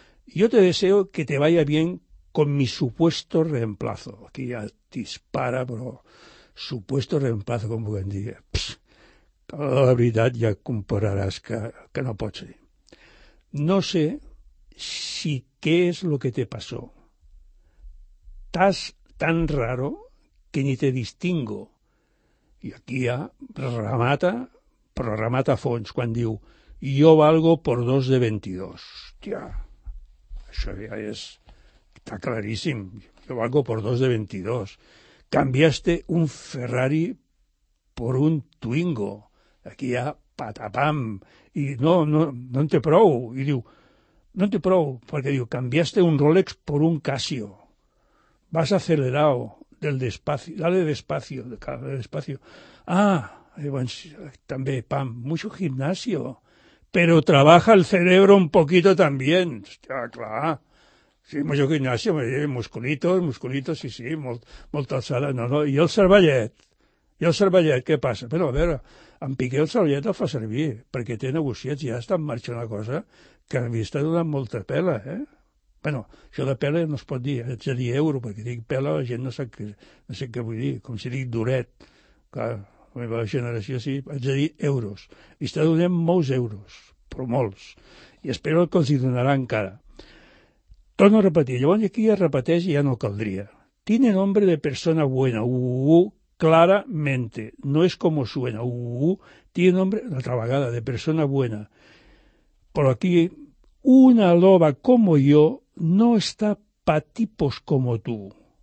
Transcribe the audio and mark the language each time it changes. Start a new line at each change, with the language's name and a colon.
Spanish: Yo te deseo que te vaya bien con mi supuesto reemplazo. Aquí ya dispara, pero supuesto reemplazo, como que diga,
Catalan: la veritat ja compararàs que no pot ser.
Spanish: No sé si què és lo que te pasó. Estás tan raro que ni te distingo.
Catalan: I aquí ja remata, però remata a fons, quan diu,
Spanish: yo valgo por dos de 22.
Catalan: Hòstia, això ja és, està claríssim.
Spanish: Yo valgo por dos de 22. Cambiaste un Ferrari por un Twingo.
Catalan: Aquí hi ha patapam, i no en té prou, i diu, no en té prou, perquè diu,
Spanish: cambiaste un Rolex por un Casio, vas acelerado, del despacio, dale despacio,
Catalan: dale despacio. Ah, llavors, també, pam,
Spanish: mucho gimnasio, pero trabaja el cerebro un poquito también.
Catalan: Hòstia, clar, sí,
Spanish: mucho gimnasio, musculitos,
Catalan: sí, sí, molta alçada, no, i el cervellet. I el cervellet, què passa? Però, a veure, en Piqué el cervellet el fa servir, perquè té negociats i ja està en marxa una cosa que a mi està donant molta pela, eh? Bé, bueno, això de pela no es pot dir, haig de dir euro, perquè dic pela, la gent no sap què vull dir, com si dic duret, clar, la meva generació sí, haig de dir euros. I està donant molts euros, però molts, i espero que els hi donarà encara. Torno a repetir, llavors aquí ja repeteix i ja no caldria.
Spanish: Tiene nombre de persona buena, claramente, no es como suena, tiene nombre, otra vagada, de persona buena. Por aquí, una loba como yo no está pa tipos como tú.